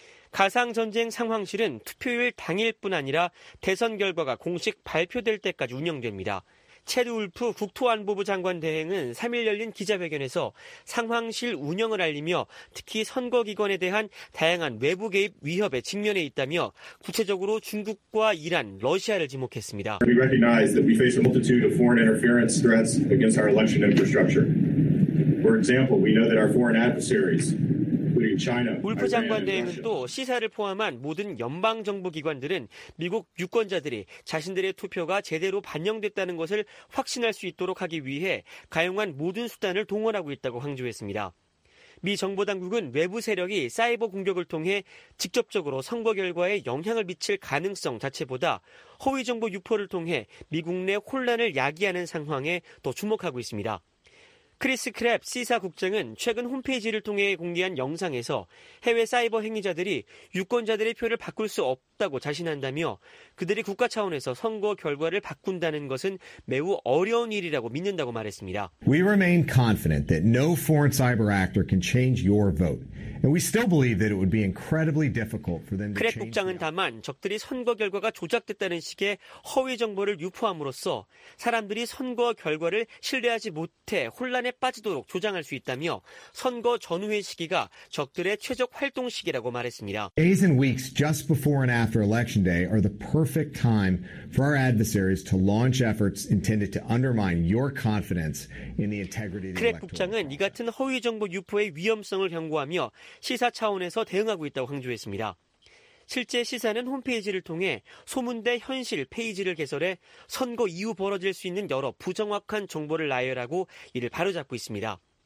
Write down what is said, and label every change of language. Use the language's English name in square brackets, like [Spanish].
[Korean] 가상전쟁 상황실은 투표율 당일뿐 아니라 대선 결과가 공식 발표될 때까지 운영됩니다. 체드 울프 국토안보부 장관 대행은 3일 열린 기자회견에서 상황실 운영을 알리며 특히 선거기관에 대한 다양한 외부 개입 위협에 직면해 있다며 구체적으로 중국과 이란, 러시아를 지목했습니다. [English] We recognize that we face a multitude of foreign interference threats against our election infrastructure. For example, we know that our foreign adversaries, including China, [Korean] 울프 장관 대행은 또 시사를 포함한 모든 연방정부기관들은 미국 유권자들이 자신들의 투표가 제대로 반영됐다는 것을 확신할 수 있도록 하기 위해 가용한 모든 수단을 동원하고 있다고 강조했습니다. 미 정보 당국은 외부 세력이 사이버 공격을 통해 직접적으로 선거 결과에 영향을 미칠 가능성 자체보다 허위 정보 유포를 통해 미국 내 혼란을 야기하는 상황에 더 주목하고 있습니다. 크리스 크랩 시사 국장은 최근 홈페이지를 통해 공개한 영상에서 해외 사이버 행위자들이 유권자들의 표를 바꿀 수 없다고 자신한다며 그들이 국가 차원에서 선거 결과를 바꾼다는 것은 매우 어려운 일이라고 믿는다고 말했습니다. [English] We remain confident that no foreign cyber actor can change your vote. And we still believe that it would be incredibly difficult for them to change. [Korean] 크랩 국장은 다만 적들이 선거 결과가 조작됐다는 식의 허위 정보를 유포함으로써 사람들이 선거 결과를 신뢰하지 못해 혼란에 빠지도록 조장할 수 있다며 선거 전후의 시기가 적들의 최적 활동 시기라고 말했습니다. [English] Days and weeks just before and after election day are the perfect time for our adversaries to launch efforts intended to undermine your confidence in the integrity of the election. [Korean] 크랩 국장은 이 같은 허위 정보 유포의 위험성을 경고하며 시사 차원에서 대응하고 있다고 강조했습니다. 실제 시사는 홈페이지를 통해 소문대 현실 페이지를 개설해 선거 이후 벌어질 수 있는 여러 부정확한 정보를 나열하고 이를 바로잡고 있습니다.